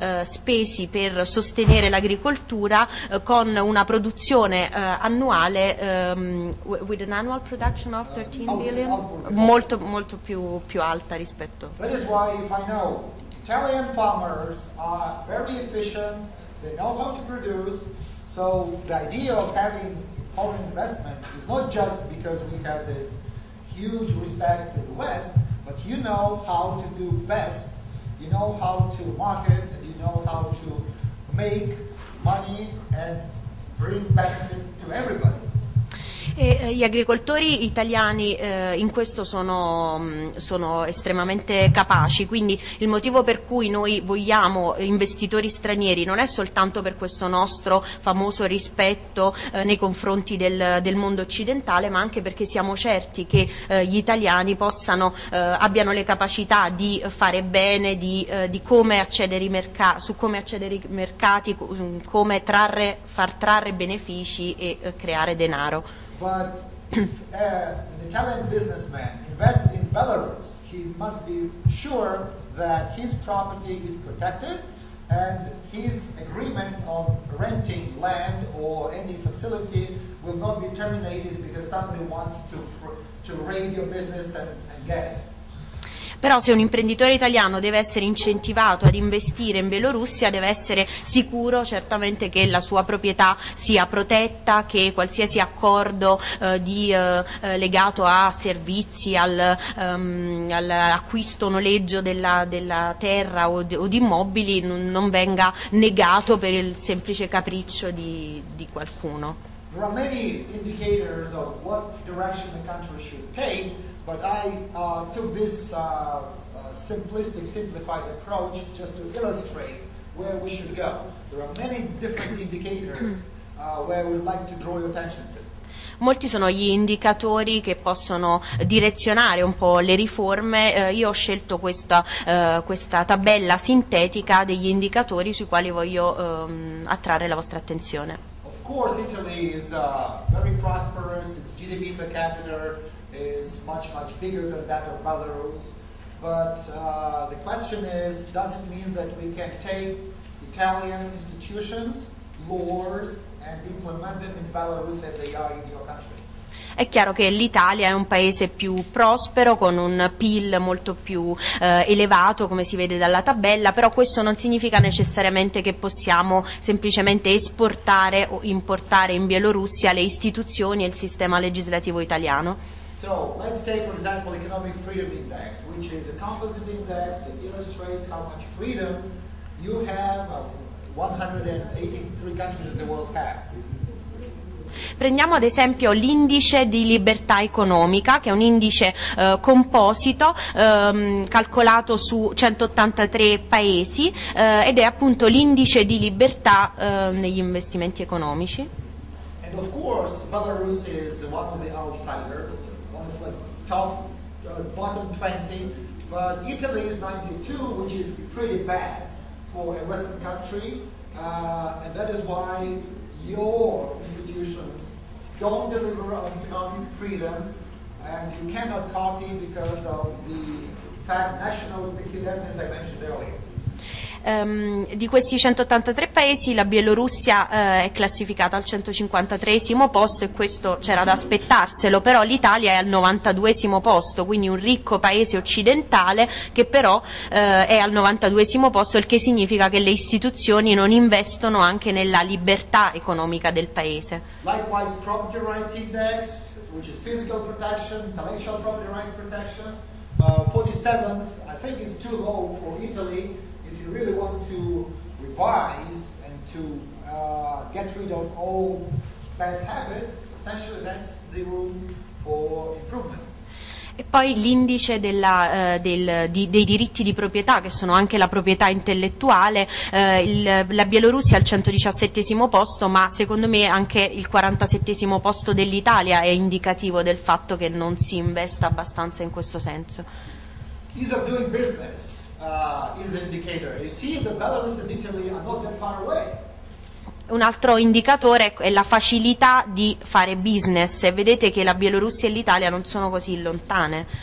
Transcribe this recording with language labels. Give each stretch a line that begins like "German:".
Italian: spesi per sostenere l'agricoltura con una produzione annuale
English: with an annual production of 13 billion
Italian: molto molto più alta rispetto.
English: That is why if I know Italian farmers are very efficient, they know how to produce, so the idea of having foreign investment is not just because we have this huge respect to the West, but you know how to do best, you know how to market, and you know how to make money and bring benefit to everybody.
Italian: E gli agricoltori italiani in questo sono estremamente capaci, quindi il motivo per cui noi vogliamo investitori stranieri non è soltanto per questo nostro famoso rispetto nei confronti del mondo occidentale, ma anche perché siamo certi che gli italiani abbiano le capacità di fare bene, di come accedere i mercati, su come accedere ai mercati, come far trarre benefici e creare denaro.
English: But if an Italian businessman invests in Belarus, he must be sure that his property is protected and his agreement on renting land or any facility will not be terminated because somebody wants to raid your business and get it.
Italian: Però se un imprenditore italiano deve essere incentivato ad investire in Bielorussia, deve essere sicuro certamente che la sua proprietà sia protetta, che qualsiasi accordo legato a servizi, all'acquisto o noleggio della terra o di immobili non venga negato per il semplice capriccio di qualcuno.
English: There are many indicators of what direction the country should take. But I took this simplistic, simplified approach just to illustrate where we should go. There are many different indicators where we'd like to draw your attention to.
Italian: Molti sono gli indicatori che possono direzionare un po' le riforme. Io ho scelto questa tabella sintetica degli indicatori sui quali voglio attrarre la vostra attenzione.
English: Of course Italy is very prosperous, its GDP per capita is much, much bigger than that of Belarus. But the question is, does it mean that we can take Italian institutions, laws, and implement them in Belarus as they are in your country?
Italian: È chiaro che l'Italia è un paese più prospero, con un PIL molto più elevato, come si vede dalla tabella, però questo non significa necessariamente che possiamo semplicemente esportare o importare in Bielorussia le istituzioni e il sistema legislativo italiano.
English: So, let's take for example the Economic Freedom Index, which is a composite index that illustrates how much freedom you have, 183 countries in the world have.
Italian: Prendiamo ad esempio l'indice di libertà economica, che è un indice composito calcolato su 183 paesi ed è appunto l'indice di libertà negli investimenti economici.
English: And of course Belarus is one of the outsiders, one of the top bottom 20, but Italy is 92, which is pretty bad for a Western country, and that is why your institutions don't deliver on economic freedom, and you cannot copy because of the fact national peculiarity, as I mentioned earlier.
Italian: Di questi 183 paesi la Bielorussia è classificata al 153esimo posto e questo c'era da aspettarselo, però l'Italia è al 92esimo posto, quindi un ricco paese occidentale che però è al 92esimo posto, il che significa che le istituzioni non investono anche nella libertà economica del paese.
English: Likewise, property rights index, which is physical protection, intellectual property rights protection, 47th, I think it's too low for Italy. If you really want to revise and to get rid of all bad habits, essentially that's the room for improvement.
Italian: E poi l'indice dei diritti di proprietà, che sono anche la proprietà intellettuale, la Bielorussia è al 117esimo posto, ma secondo me anche il 47esimo posto dell'Italia è indicativo del fatto che non si investa abbastanza in questo senso.
English: Ease of doing business is an indicator. You see that Belarus and Italy are not that far away.
Italian: Un altro indicatore è la facilità di fare business. Vedete che la Bielorussia e l'Italia non sono così lontane.